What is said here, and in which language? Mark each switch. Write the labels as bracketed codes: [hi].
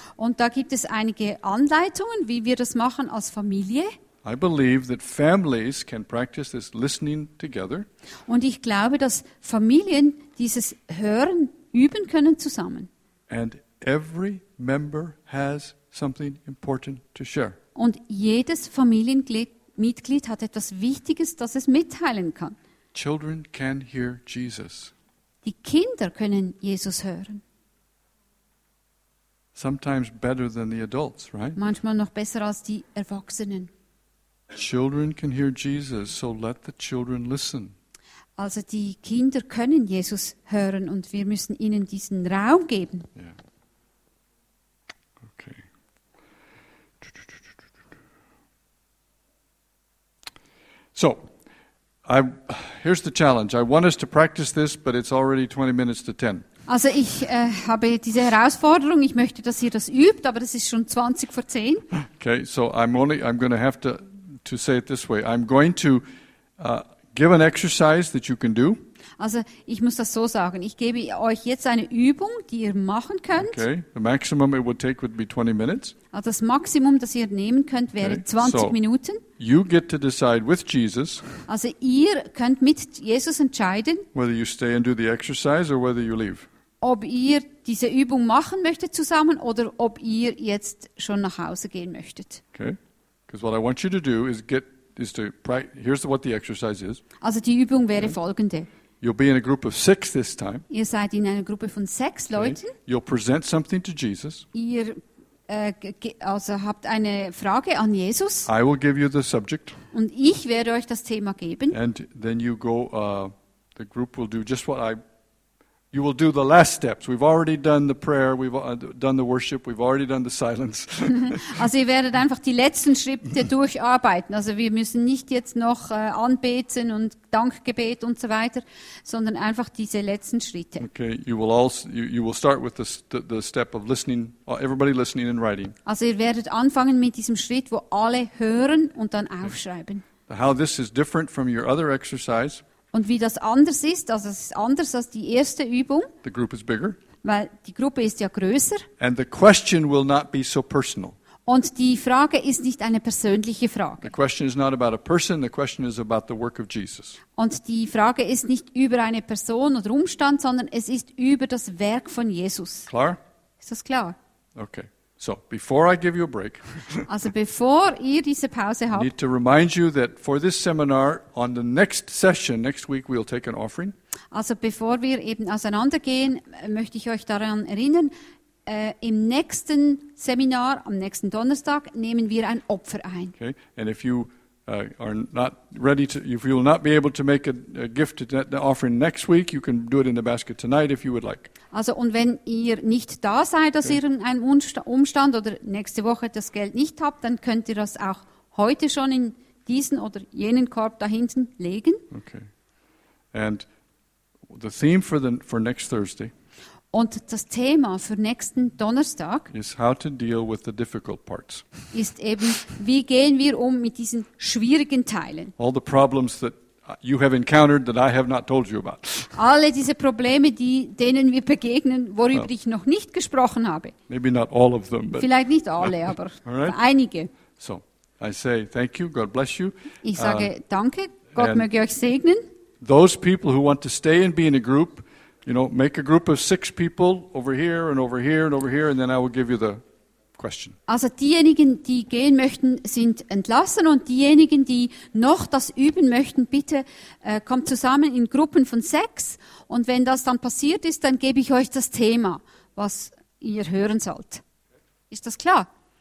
[de] Und da gibt es einige Anleitungen, wie wir das machen als Familie. [en] I believe that families can practice this listening together. [de] Und ich glaube, dass Familien dieses Hören üben können zusammen. [en] And every member has something important to share. [de] Und jedes Familienmitglied hat etwas Wichtiges, das es mitteilen kann. [en] Children can hear Jesus. [de] Die Kinder können Jesus hören. [en] Sometimes better than the adults, right? [de] Manchmal noch besser als die Erwachsenen. [en] Children can hear Jesus, so let the children listen. [de] Also die Kinder können Jesus hören und wir müssen ihnen diesen Raum geben. Yeah. [en] So, here's the challenge. I want us to practice this, but it's already 20 minutes to 10. [de] Also, ich habe diese Herausforderung. Ich möchte, dass ihr das übt, aber das ist schon 20 vor 10. [en] Okay, so I'm going to have to say it this way. I'm going to give an exercise that you can do. [de] Also, ich muss das so sagen. Ich gebe euch jetzt eine Übung, die ihr machen könnt. [en] Okay, the maximum it would take would be 20 minutes. [de] Also das Maximum, das ihr nehmen könnt, wäre 20 Minuten. [en] You get to decide with Jesus. [de] Also ihr könnt mit Jesus entscheiden, [en] whether you stay and do the exercise or whether you leave. [de] Ob ihr diese Übung machen möchtet zusammen oder ob ihr jetzt schon nach Hause gehen möchtet. [en] Okay, because what I want you to do is get is to here's what the exercise is. [de] Also die Übung wäre folgende. [en] You'll be in a group of six this time. [de] Ihr seid in einer Gruppe von sechs Leuten. [en] You'll present something to Jesus. [de] Ihr also habt eine Frage an Jesus. [en] I will give you the subject. [de] Und ich werde euch das Thema geben. [en] And then you go, the group will do just what I, you will do the last steps. We've already done the prayer, we've done the worship, we've already done the silence. [de] Also ihr werdet einfach die letzten Schritte durcharbeiten. Also wir müssen nicht jetzt noch anbeten und Dankgebet und so weiter, sondern einfach diese letzten Schritte. [en] Okay, you will start with the step of listening, everybody listening and writing. [de] Also ihr werdet anfangen mit diesem Schritt, wo alle hören und dann aufschreiben. [en] How this is different from your other exercise. [de] Und wie das anders ist, also es ist anders als die erste Übung. [en] The group is bigger. [de] Weil die Gruppe ist ja größer. [en] And the question will not be so personal. [de] Und die Frage ist nicht eine persönliche Frage. [en] The question is not about a person, the question is about the work of Jesus. [de] Und die Frage ist nicht über eine Person oder Umstand, sondern es ist über das Werk von Jesus. Klar? Ist das klar? Okay. [en] So, before I give you a break. [de] Also bevor ihr diese Pause habt. [en] I need to remind you that for this seminar on the next session next week we'll take an offering. [de] Also bevor wir eben auseinandergehen, möchte ich euch daran erinnern, im nächsten Seminar am nächsten Donnerstag nehmen wir ein Opfer ein. [en] Okay. And if you are not ready to, if you will not be able to make a gift to the offering next week, you can do it in the basket tonight if you would like. [de] Also, und wenn ihr nicht da seid, aus irgendeinem Umstand oder nächste Woche das Geld nicht habt, dann könnt ihr das auch heute schon in diesen oder jenen Korb da hinten legen. Okay. [en] And the theme for next Thursday. [de] Und das Thema für nächsten Donnerstag [en] is how to deal with the difficult parts. [de] Ist eben, wie gehen wir mit diesen schwierigen Teilen. [en] All the problems that you have encountered that I have not told you about. [de] Alle diese Probleme, denen wir begegnen, worüber ich noch nicht gesprochen habe. [en] Maybe not all of them, but [de] vielleicht nicht alle, aber [en] right? [de] Einige. [en] So, I say thank you, God bless you. [de] Ich sage danke, Gott möge euch segnen. [en] Those people who want to stay and be in a group, you know, make a group of six people over here and over here and over here, and then I will give you the question. [de] Also diejenigen, die gehen möchten, sind entlassen, und diejenigen, die noch das üben möchten, bitte kommt zusammen in Gruppen von sechs, und wenn das dann passiert ist, dann gebe ich euch das Thema, was ihr hören sollt. Ist das klar?